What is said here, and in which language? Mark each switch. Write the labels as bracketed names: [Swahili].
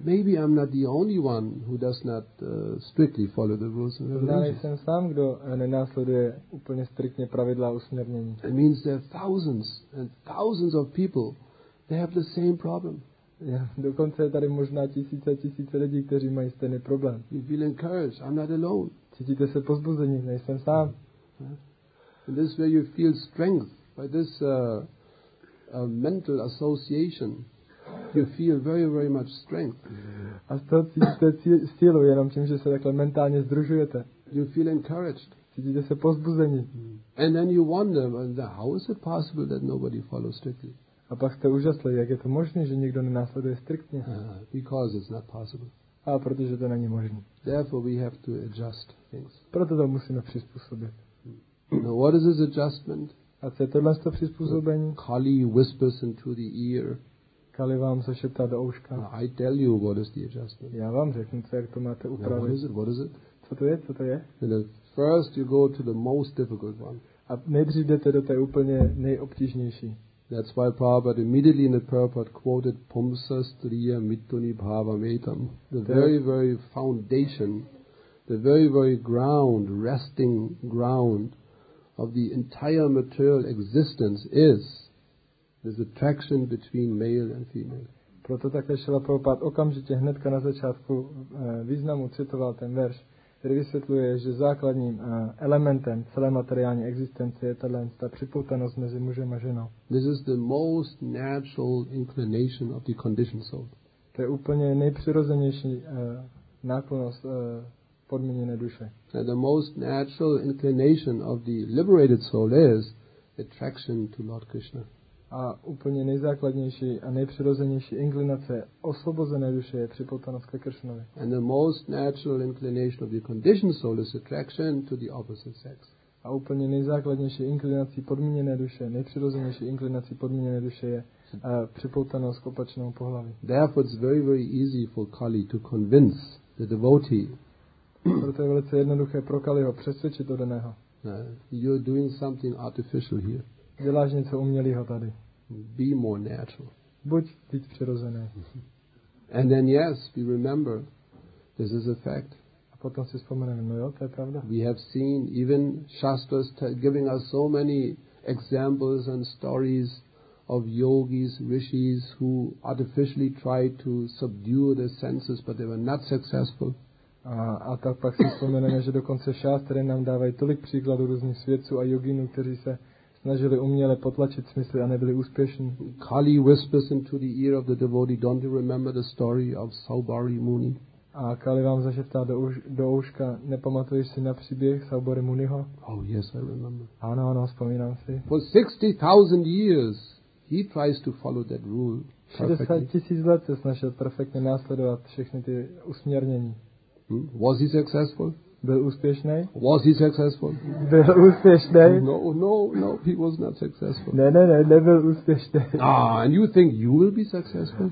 [English] Maybe I'm not the only one who does not strictly follow the rules and regulations. [Czech] Já nejsem sám, kdo nenásleduje úplně striktně pravidla usměrnění. [English] It means there are thousands and thousands of people, they have the same problem. [Czech] Yeah, dokonce je tady možná tisíce a tisíce lidí, kteří mají stejný problém. [English] You feel encouraged, I'm not alone. [Czech] Cítíte se povzbuzení, nejsem sám. [English] In this way you feel strength by this a mental association, you feel very, very much strength. [Czech] A z toho cítíte sílu, jenom tím, že se takhle mentálně združujete. [English] You feel encouraged. [Czech] Cítíte se povzbuzení. [English] And then you wonder, how is it possible that nobody follows strictly? [Czech] A pak jste úžasli, jak je to možné, že nikdo nenásleduje striktně? [English] Because it's not possible. [Czech] A protože to není možné. [English] Therefore we have to adjust things. [Czech] Proto to musíme přizpůsobit. [English] Now what is this adjustment? [Czech] A co je tohle to přizpůsobení? [English] Kali whispers into the ear. [Czech] Kali vám se šeptá do ouška. [English] I tell you what is the adjustment. [Czech] Já vám řeknu, co jak to máte upravit. [English] What is it? What is it? [Czech] Co to je? Co to je? [English] And first you go to the most difficult one. [Czech] A nejdřív jdete do té úplně nejobtížnější. [English] That's why Prabhupada immediately in the Prabhupada quoted [Sanskrit] Pumsa Striya Mituni Bhavametam, [English] the very, very foundation, the very, very ground, resting ground of the entire material existence is this attraction between male and female. [Czech] Proto také Šrila Prabhupada okamžite hnedka na začátku významu citoval ten verš, který vysvětluje, že základním elementem celé materiální existence je ta připoutanost mezi mužem a ženou. [English] This is the most natural inclination of the conditioned soul. [Czech] To je úplně nejpřirozenější náklonost podmíněné duše. [English] And the most natural inclination of the liberated soul is attraction to Lord Krishna. [Czech] A úplně nejzákladnější a nejpřirozenější inklinace osvobozené duše je připoutanost ke Kršnovi. [English] And the most natural inclination of the conditioned soul is attraction to the opposite sex. [Czech] A úplně nejzákladnější inklinací podmíněné duše, nejpřirozenější inklinací podmíněné duše je připoutanost k opačnému pohlaví. [English] Therefore it's very, very easy for Kali to convince the devotee. [Czech] Proto je velice jednoduché pro Kaliho přesvědčit do daného. [English] You're doing something artificial here. [Czech] Děláš něco umělýho tady. [English] Be more natural. [Czech] Buď víc přirozené. [English] And then yes, we remember, this is a fact. [Czech] A potom si vzpomeneme, no jo, to je pravda. [English] We have seen even Shastras giving us so many examples and stories of yogis, rishis who artificially tried to subdue their senses, but they were not successful. [Czech] A tak pak si vzpomeneme, že dokonce Shastry nám dávají tolik příkladů různých svědců a yoginů, kteří se snažili uměle potlačit smysly a nebyli úspěšní. [English] Kali whispers into the ear of the devotee, don't you remember the story of Saubari Muni? [Czech] A Kali vám zašeptá do ouška, nepamatuješ si na příběh Saubari Muniho? [English] Oh yes, I remember. [Czech] Ano, vzpomínám si. [English] For 60,000 years, he tries to follow that rule perfectly. [Czech] 60 tisíc let se snažil perfektně následovat všechny ty usměrnění. [English] Was he successful? [Czech] Byl úspěšný? [English] Was he successful? [Czech] Byl úspěšný? [English] No, he was not successful. [Czech] Ne, nebyl úspěšný. [English] And you think you will be successful?